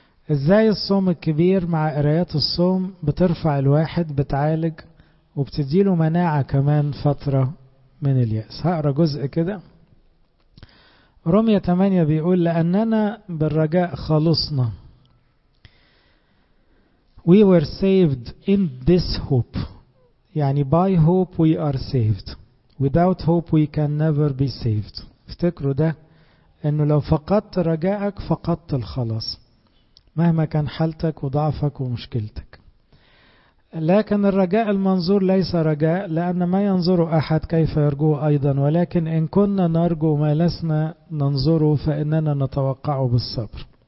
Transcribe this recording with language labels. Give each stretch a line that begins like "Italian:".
Arabic: إزاي الصوم الكبير مع قرايات الصوم بترفع الواحد، بتعالج وبتديله مناعة كمان فترة من اليأس. هقرأ جزء كده. رومية 8 بيقول: لأننا بالرجاء خلصنا.
English: We were saved in this hope. يعني by hope we are saved. Without hope we can never be saved.
Arabic: افتكروا ده، انه لو فقدت رجاءك فقدت الخلاص مهما كان حالتك وضعفك ومشكلتك. لكن الرجاء المنظور ليس رجاء، لأن ما ينظر أحد كيف يرجوه أيضا، ولكن إن كنا نرجو ما لسنا ننظره فإننا نتوقعه بالصبر.